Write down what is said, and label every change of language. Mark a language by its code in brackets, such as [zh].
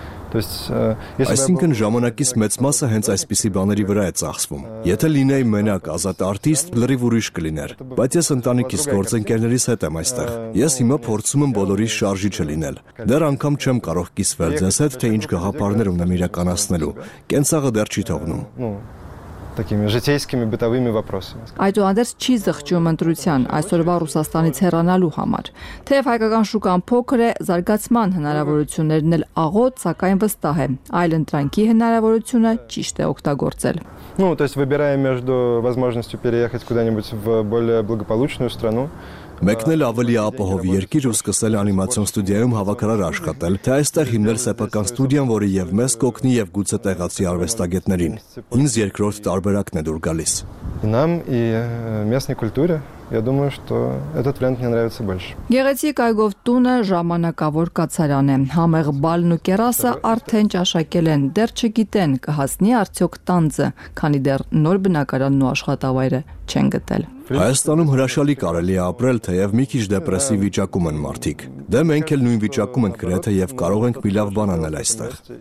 [hy] Այսինքն ժամանակիս մեծ մասը հենց այսպիսի բաների վրա է ծախսվում։ Եթե լինեի մենակ ազատ արտիստ, լրիվ ուրիշ կլիներ, բայց ես ընտանիքիս գործընկերներիս հետ եմ այստեղ։ Ես հիմա փորձում եմ բոլորի շարժիչը լինել։ Դեռ անգամ չեմ կարող կիսվել ձեզ հետ, թե ինչ գաղափարներ ունեմ իրականացնելու։ Կենցաղը դեռ չի թողնում։ [ru] Такими житейскими бытовыми вопросами. [hy] Այդու անդերս չի զղջում ընտրության այսօրվա Ռուսաստանից հեռանալու համար։ Թեև հայկական շուկան փոքր է, զարգացման հնարավորություններն էլ աղոտ, սակայն վստահ է, այլ ընտրանքի հնարավորությունը ճիշտ է օգտագործել։ [ru] Ну, то есть выбирая между возможностью переехать куда-нибудь в более благополучную страну, [hy] մեկնել ավելի ապահով երկիր ու սկսել անիմացիոն ստուդիայում հավաքարար աշխատել, թե այստեղ հիմնել սեփական ստուդիան, որը և մեզ կօգնի և գուցե տեղացի արվեստագետներին։ Ինձ երկրորդ տարբերակն է դուր գալիս։ [ru] Նամ ի մեսնի կուլտուրա, я думаю, что этот вариант мне нравится больше. [hy] Գեղեցիկ այգով տունը ժամանակավոր կացարան է, համեղ բալն ու կերասը արդեն ճաշակել են, դեռ չգիտեն կհասնի արդյոք տանձը, քանի դեռ նոր բնակարանն ու աշխատավայրը չեն գտել։ Հայաստանում հրաշալի կարելի է ապրել, թեև մի քիչ դեպրեսիվ վիճակում են մարդիկ։ Դե մենք էլ նույն վիճակում ենք գրեթե եւ կարող ենք մի լավ բան անել այստեղ։